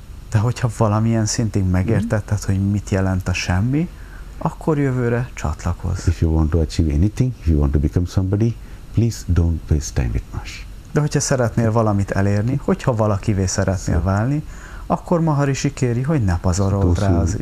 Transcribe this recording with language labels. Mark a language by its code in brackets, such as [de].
[hu] De hogyha valamilyen szintig megértetted, hogy mit jelent a semmi, akkor jövőre csatlakozz. [en] If you want to achieve anything, if you want to become somebody, please don't waste time with Maharishi. [hu] De hogyha szeretnél valamit elérni, hogyha valakivé szeretnél válni, akkor Maharishi kéri, hogy ne pazarold rá az